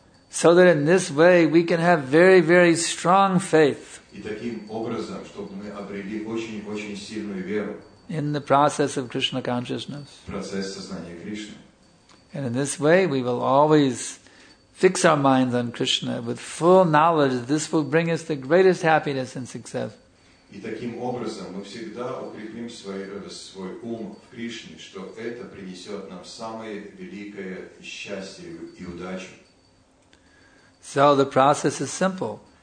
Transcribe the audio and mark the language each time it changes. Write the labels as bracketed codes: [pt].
[en] So that in this way we can have very, very strong faith in the process of Krishna consciousness. And in this way we will always fix our minds on Krishna with full knowledge that this will bring us the greatest happiness and success. [ru] И таким образом мы всегда укрепим свой ум в Кришне, что это принесет нам самое великое счастье и удачу. [en] So the process is simple.